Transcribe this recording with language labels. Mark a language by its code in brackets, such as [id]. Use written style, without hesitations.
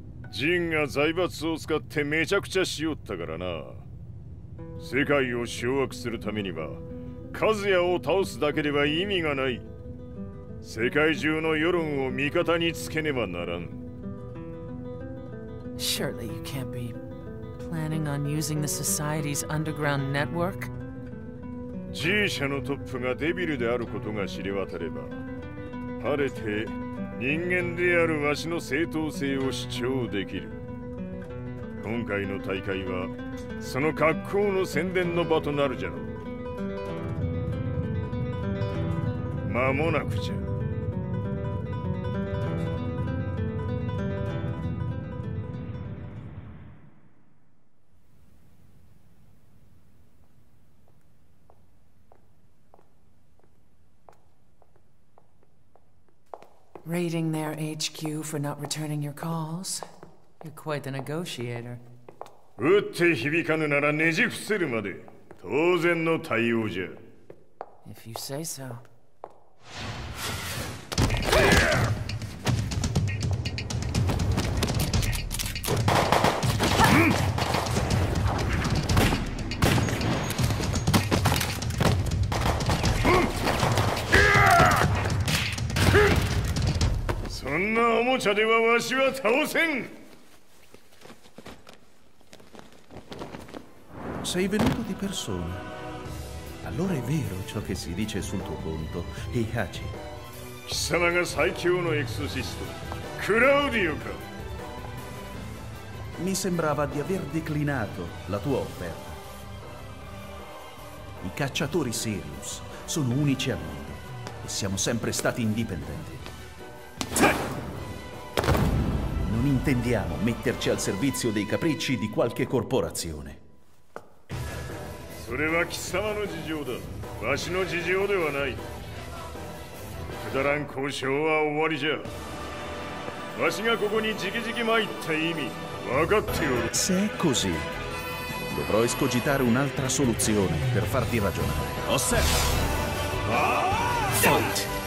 [ja] ジンが財閥を使ってめちゃくちゃしよったからな。世界を掌握するためには、カズヤを倒すだけでは意味がない。世界中の世論を味方につけねばならん。 [en] Surely you can't be planning on using the society's underground network? [ja] G 社のトップがデビルであることが知れ渡れば、晴れて、人間であるわしの正当性を主張できる。今回の大会はその格好の宣伝の場となるじゃろう。間もなくじゃ。 [en] Raiding their HQ for not returning your calls. You're quite the negotiator. [ja] 打って響かぬならねじ伏せるまで、当然の対応じゃ。 [en] If you say so. [ja] おもちゃではわしは倒せん。 [it] Sei venuto di persona. Allora è vero ciò che si dice sul tuo conto, Heihachi. [ja] 貴様が最強のエクソシスト、クラウディオか。 [it] Mi sembrava di aver declinato la tua offerta. I cacciatori Sirius sono unici al mondo e siamo sempre stati indipendenti. Non intendiamo metterci al servizio dei capricci di qualche corporazione. [ja] それは貴様の事情だ。わしの事情ではない。くだらん交渉は終わりじゃ。わしがここにじきじき参った意味、分かっておる。 [it] Se è così, dovrò escogitare un'altra soluzione per farti ragionare. Osserva! [en] Fight!